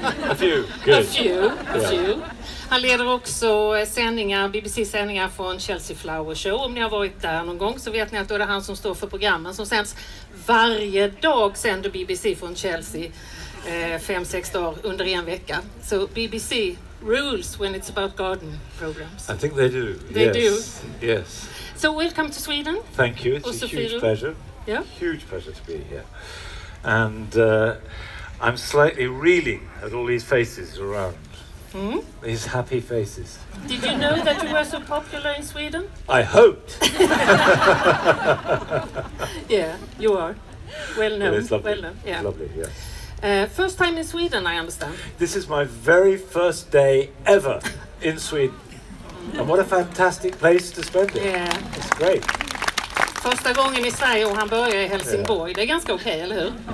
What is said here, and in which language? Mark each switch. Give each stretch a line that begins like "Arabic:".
English: A few.
Swedish: Han leder också sändningar, BBC-sändningar från Chelsea Flower Show. Om ni har varit där någon gång så vet ni att då är det han som står för programmen som sänds varje dag, sänder BBC från Chelsea 5-6 dagar under en vecka.
English: Så BBC rules when it's about garden programs. I think they do. They do. So welcome to Sweden. Thank you. It's a huge pleasure. Yeah. Huge pleasure to be here. And I'm slightly reeling at all these faces around. Mm-hmm. These happy faces. Did you know that you were so popular in Sweden? I hoped. Yeah, you are. Well known. It's lovely. Well known. Yeah. It's lovely, yes. First time in Sweden, I understand. This is my very first day ever in Sweden. And what a fantastic place to spend it. Yeah. It's great.
Swedish: Första gången i Sverige och han börjar i Helsingborg. Yeah. Det är ganska okej, eller hur?